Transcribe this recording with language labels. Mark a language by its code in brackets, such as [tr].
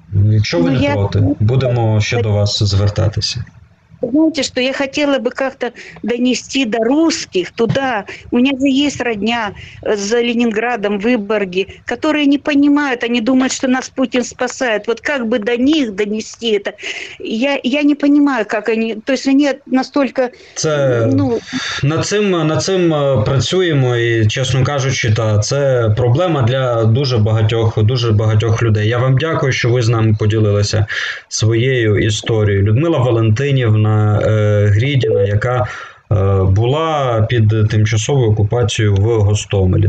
[uk] Якщо ви не проти, будемо ще до вас звертатися. [ru] Знаете, что я хотела бы как-то донести до русских туда. У меня же есть родня за Ленинградом, в Выборге, которые не понимают, они думают, что нас Путин спасает. Вот как бы до них донести это? Я не понимаю, как они... То есть они настолько... [uk] Це... Ну... Над цим працюємо, і, чесно кажучи, та, це проблема для дуже багатьох людей. Я вам дякую, що ви з нами поділилися своєю історією. Людмила Валентинівна Грідіна, яка була під тимчасовою окупацією в Гостомелі.